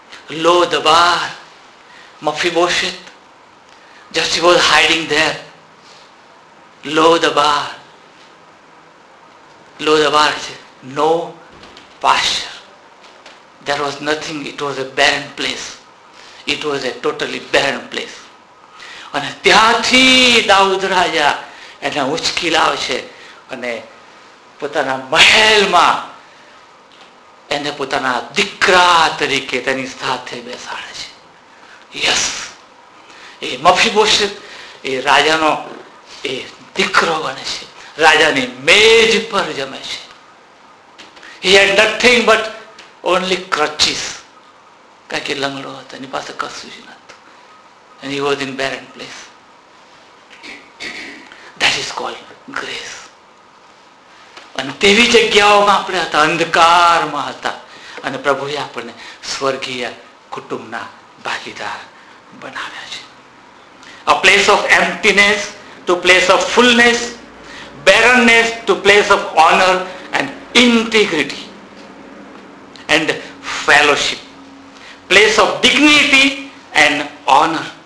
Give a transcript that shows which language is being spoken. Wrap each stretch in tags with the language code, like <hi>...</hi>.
<en>Lo Debar Mephibosheth, just he was hiding there. Lo the bar, lo the bar, no pasture, there was nothing, it was a barren place, it was a totally barren place.</en> <gu>અને ત્યાંથી દાઉદ રાજા એને ઉચકી લાવે છે અને પોતાના મહેલમાં એને પોતાના દીકરા તરીકે તેની સાથે બેસાડે છે. યસ, એ મફીબોશેથ એ રાજાનો એ દીકરો બને છે, રાજાની મેજ પર જમે છે.</gu> <en>He had nothing but only crutches.</en> <gu>કે લંગડો હતો એની પાસે કશું જ નહોતું.</gu> <en>And he was in barren place. That is called grace.</en> <gu>અને તેવી જગ્યાઓમાં આપણે હતા, અંધકારમાં હતા, અને પ્રભુએ આપણને સ્વર્ગીય કુટુંબના ભાગીદાર બનાવ્યા છે.</gu> <en>A place of emptiness to place of fullness, barrenness to place of honour and integrity and fellowship, place of dignity and honour.</en>